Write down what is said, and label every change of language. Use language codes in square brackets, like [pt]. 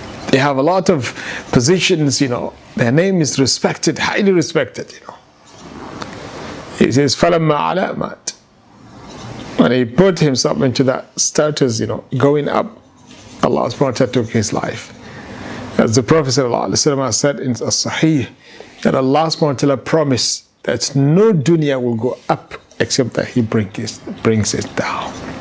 [en] They have a lot of positions, you know. Their name is respected, highly respected, you know. He says, [ar] فَلَمَّا عَلَى مَاتْ. [en] When he put himself into that status, you know, going up, Allah subhanahu wa ta'ala took his life. As the Prophet sallallahu alayhi wa sallam said in the Sahih, that Allah subhanahu wa ta'ala promised that no dunya will go up except that he brings it down.